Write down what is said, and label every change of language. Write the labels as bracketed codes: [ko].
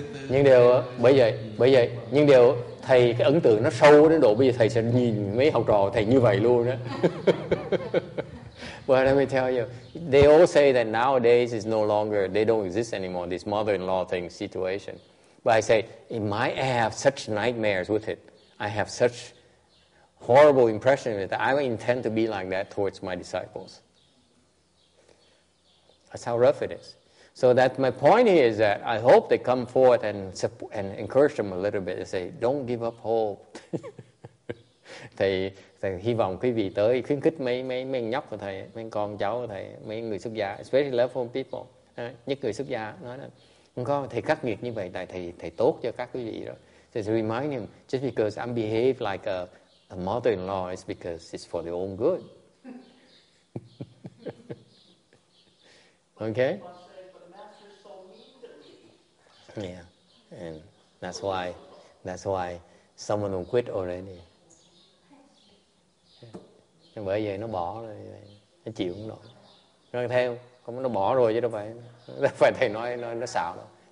[vi] Nhưng điều bởi vậy nhưng điều thầy cái ấn tượng nó sâu đến độ bây giờ thầy sẽ nhìn mấy học trò thầy như vậy luôn đó. [en] Well, let me tell you, they all say that nowadays is no longer, they don't exist anymore, this mother-in-law thing situation. But I say, in my, I have such nightmares with it. I have such horrible impression of it that I intend to be like that towards my disciples. That's how rough it is. So that my point here is that I hope they come forth and encourage them a little bit and say, don't give up hope. [vi] Thầy hy vọng quý vị tới khuyến khích mấy nhóc của thầy, mấy con cháu của thầy, mấy người xuất gia, [en] especially level people, [vi] nhất người xuất gia, nói là không có thầy khắc nghiệt như vậy tại thầy tốt cho các quý vị rồi. [en] So it's reminding him, just because I'm behave like a mother-in-law is because it's for the own good. Okay? Yeah, and that's why someone will quit already. [vi] Bởi vậy nó bỏ rồi, nó chịu không nổi. Nó theo, không nó bỏ rồi chứ đâu phải thầy nói nó xạo đâu.